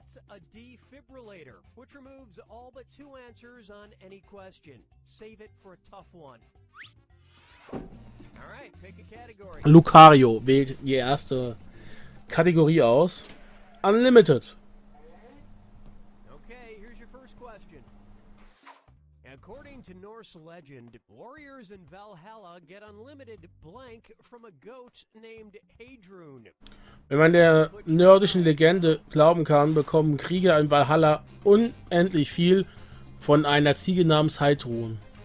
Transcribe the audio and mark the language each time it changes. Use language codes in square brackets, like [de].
[en] A defibrillator, which removes all but two answers on any question. Save it for a tough one. Alright, pick a category. [de] Lucario wählt die erste Kategorie aus. [en] Unlimited. Okay, here's your first question. According to Norse legend, warriors in Valhalla get unlimited blank from a goat named Hadrun. [de] Wenn man der nördischen Legende glauben kann, bekommen Krieger in Valhalla unendlich viel von einer Ziege namens Hadrun.